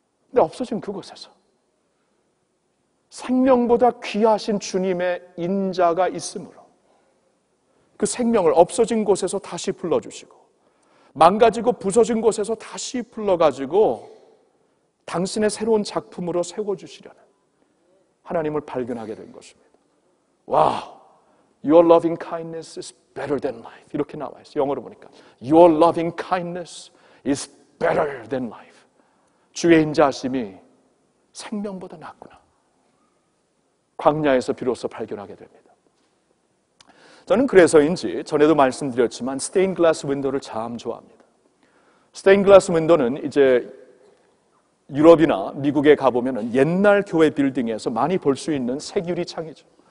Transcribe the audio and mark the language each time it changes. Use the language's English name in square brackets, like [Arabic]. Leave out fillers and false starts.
[Korean] 근데 없어진 그곳에서 생명보다 귀하신 주님의 인자가 있으므로 그 생명을 없어진 곳에서 다시 불러주시고, 망가지고 부서진 곳에서 다시 불러가지고 당신의 새로운 작품으로 세워주시려는 하나님을 발견하게 된 것입니다. 와우! [English] Your loving kindness is better than life. [Korean] 이렇게 나와 있어요. 영어로 보니까 [English] Your loving kindness is better than life. [Korean] 주의 인자하심이 생명보다 낫구나. 광야에서 비로소 발견하게 됩니다. 저는 그래서인지 전에도 말씀드렸지만 스테인글라스 윈도우를 참 좋아합니다. 스테인글라스 윈도우는 이제 유럽이나 미국에 가보면 옛날 교회 빌딩에서 많이 볼 수 있는 색유리 창이죠.